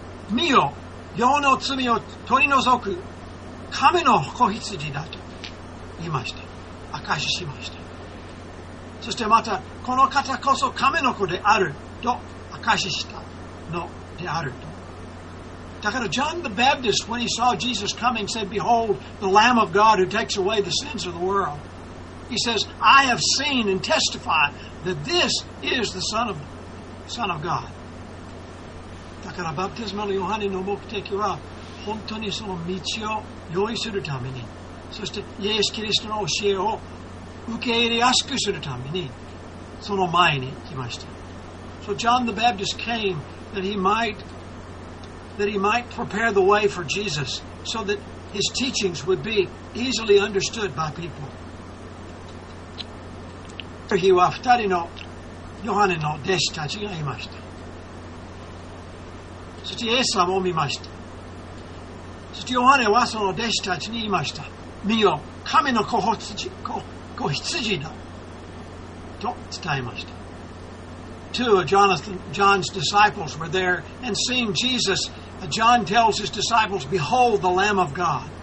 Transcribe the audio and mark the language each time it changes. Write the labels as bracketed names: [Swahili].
[Japanese] 見よ、世の罪を取り除く神の子羊だと言いました。証ししました。そしてまた、この方こそ神の子であると証ししたのであると。 [English] だから、John the Baptist, when he saw Jesus coming, said, Behold, the Lamb of God who takes away the sins of the world. He says, I have seen and testified that this is the Son of God. [Japanese] だからバプテスマのヨハネの目的は本当にその道を用意するために、そしてイエス・キリストの教えを受け入れやすくするためにその前に来ました。 [English] So John the Baptist came that he might prepare the way for Jesus so that his teachings would be easily understood by people. [Japanese] 次は二人のヨハネの弟子たちがいました。そしてイエス様を見ました。そしてヨハネはその弟子たちに言いました。見よ、神の子羊だと伝えました。 [English] Two of John's disciples were there and seeing Jesus, John tells his disciples, Behold the Lamb of God.